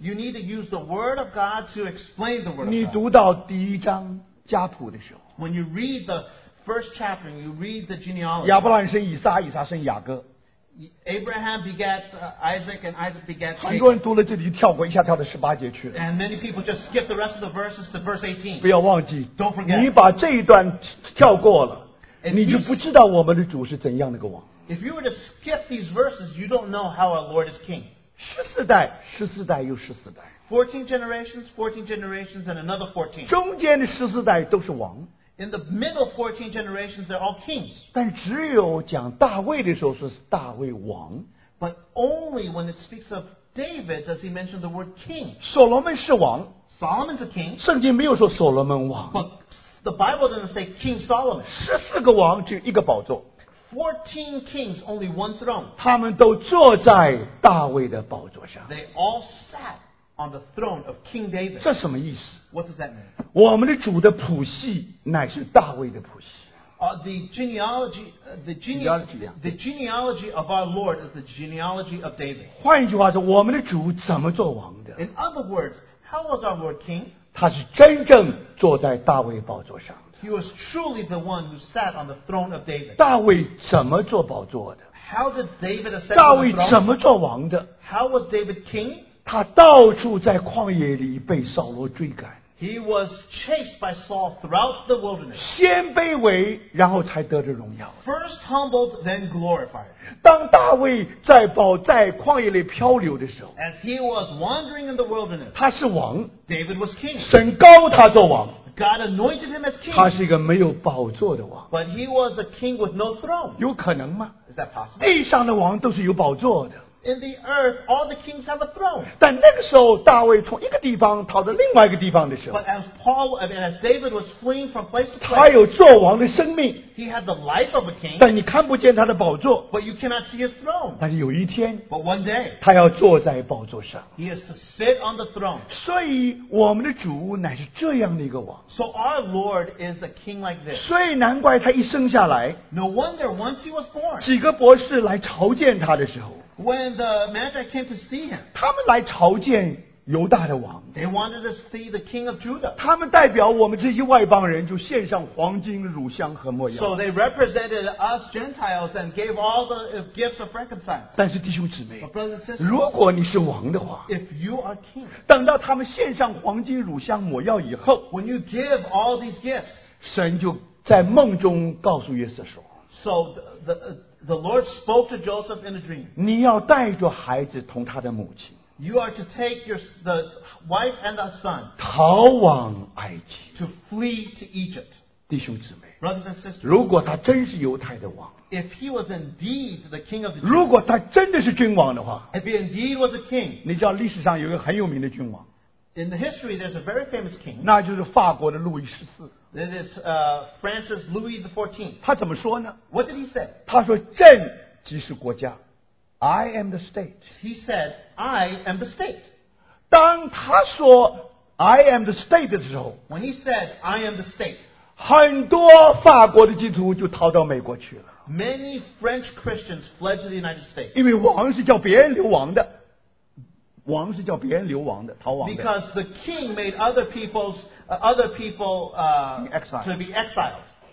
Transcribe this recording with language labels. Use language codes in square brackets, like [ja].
[en] you need to use the word of God to explain the word of God. [zh] 你读到第一章家谱的时候, [en] when you read the first chapter, you read the genealogy, [zh] 亚伯兰生以撒, 以撒生雅各, [en] Abraham begat Isaac and Isaac begat Jacob. [zh] 很多人读了这里跳过一下跳到18节去了, [en] and many people just skip the rest of the verses to verse 18. [zh] 不要忘记, [en] don't forget, [zh] 你把这一段跳过了, 你就不知道我们的主是怎样的个王。 [en] If you were to skip these verses, you don't know how our Lord is king. [zh] 14代, 14代又14代, [en] 14 generations, 14 generations, and another 14. [zh] 中间的14代都是王, [en] in the middle 14 generations, they're all kings. [zh] 但只有讲大卫的时候是大卫王, [en] but only when it speaks of David does he mention the word king. [zh] 所罗门是王, [en] Solomon's a king. [zh] 圣经没有说所罗门王, [en] but the Bible doesn't say King Solomon. [zh] 14个王只有一个宝座, [en] 14 kings, only one throne. [zh] 他们都坐在大卫的宝座上, [en] they all sat on the throne of King David. [zh] 这什么意思? [en] What does that mean? [zh] 我们的主的谱系乃是大卫的谱系, [en] the genealogy of our Lord is the genealogy of David. [zh] 换一句话说, 我们的主怎么做王的? [en] In other words, how was our Lord king? [zh] 他是真正坐在大卫宝座上的, [en] He was truly the one who sat on the throne of David. [zh] 大卫怎么坐宝座的? [en] How did David ascend to the throne? [zh] 大卫怎么坐王的? [en] How was David king? [zh] 他到处在旷野里被扫罗追赶。 [en] He was chased by Saul throughout the wilderness. [zh] 先卑微, 然后才得着荣耀。 [en] First humbled, then glorified. [zh] 当大卫在旷野里漂流的时候, [en] As he was wandering in the wilderness, [zh] 他是王, [en] David was king. [zh] 神高他做王, [en] God anointed him as king. [zh] 他是一个没有宝座的王。 [en] But he was a king with no throne. [zh] 有可能吗? [en] Is that possible? [zh] 地上的王都是有宝座的。 [en] In the earth, all the kings have a throne. [zh] 但那个时候，大卫从一个地方逃到另外一个地方的时候， [en] But as Paul, as David was fleeing from place to place, [zh] 他有作王的生命， [en] He had the life of a king. [zh] 但你看不见他的宝座， [en] But you cannot see his throne. [zh] 但是有一天， [en] But one day, [zh] 他要坐在宝座上， [en] He is to sit on the throne. [zh] 所以我们的主乃是这样的一个王。 [en] So our Lord is a king like this. [zh] 所以难怪他一生下来， [en] No wonder once he was born, [zh] 几个博士来朝见他的时候， [en] When the Magi came to see him, [zh] 他们来朝见犹大的王。 [en] They wanted to see the king of Judah. [zh] 他们代表我们这些外邦人就献上黄金、乳香和没药。 [en] So they represented us Gentiles and gave all the gifts of frankincense. [zh] 但是弟兄姊妹， [en] But brothers and sisters, [zh] 如果你是王的话， [en] If you are king, [zh] 等到他们献上黄金、乳香、没药以后， [en] When you give all these gifts, [zh] 神就在梦中告诉约瑟说， [en] So the Lord spoke to Joseph in a dream. [zh] 你要带着孩子同他的母亲， [en] You are to take the wife and the son [zh] 逃往埃及， [en] to flee to Egypt. [zh] 弟兄姊妹， [en] Brothers and sisters, [zh] 如果他真是犹太的王， [en] If he was indeed the king of the Jews, [zh] 如果他真的是君王的话， [en] If he indeed was a king, [zh] 你知道历史上有一个很有名的君王， [en] In the history, there's a very famous king. [zh] 那就是法国的路易十四。 [en] This is Francis Louis XIV. [zh] 他怎么说呢? [en] What did he say? [zh] 他说朕即是国家, [en] I am the state. He said, I am the state. [zh] 当他说 [en] I am the state [zh] 的时候, [en] When he said, I am the state, [zh] 很多法国的基督徒就逃到美国去了。 [en] Many French Christians fled to the United States. [zh] 因为王是叫别人流亡的。王是叫别人流亡的, 逃亡的。 [en] Because the king made other people to be exiled.